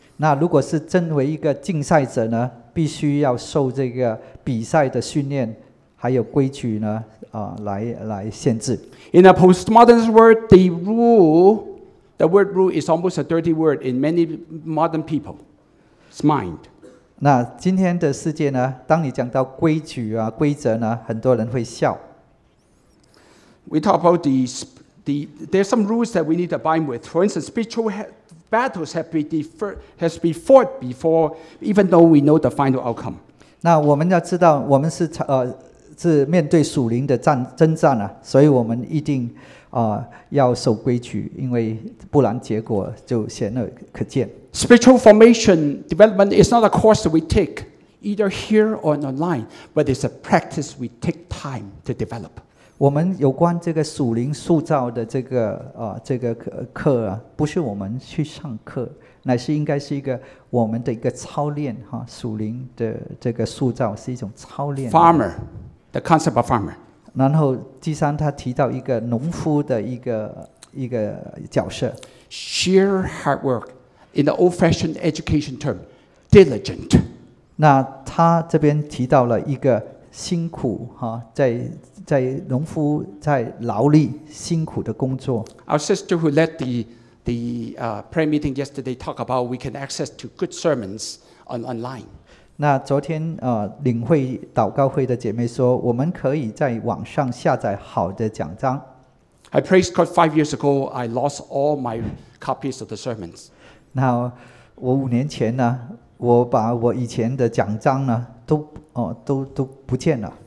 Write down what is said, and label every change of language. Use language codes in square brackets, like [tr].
[zh] 那如果是身为一个竞赛者呢，必须要受这个比赛的训练还有规矩呢来限制。 [en] In a postmodernist world, the rule. The word rule is almost a dirty word in many modern people's mind. [zh] 那今天的世界呢，当你讲到规矩啊、规则呢，很多人会笑。 [en] We talk about there's some rules that we need to abide with. For instance, spiritual battles has been fought before, even though we know the final outcome. [zh] 那我们要知道，我们是是面对属灵的征战啊，所以我们一定。要守规矩，因为不然结果就显而可见。 [en] Spiritual formation development is not a course that we take either here or online, but it's a practice we take time to develop. [zh] 我们有关这个属灵塑造的这个课啊，不是我们去上课，乃是应该是一个我们的一个操练哈。属灵的这个塑造是一种操练。 [en] Farmer, the concept of farmer. [zh] 然后第三，他提到一个农夫的一个角色。 [en] Sheer hard work, in the old-fashioned education term, diligent. [zh] 那他这边提到了一个辛苦哈，在农夫在劳力辛苦的工作。 [en] Our sister who led the prayer meeting yesterday talked about we can access to good sermons online. [zh] 那昨天领会祷告会的姐妹说，我们可以在网上下载好的讲章。 [en] I praise God 5 years ago, I lost all my copies of the sermons. [zh] 那我5年前呢，我把我以前的讲章呢，都不见了。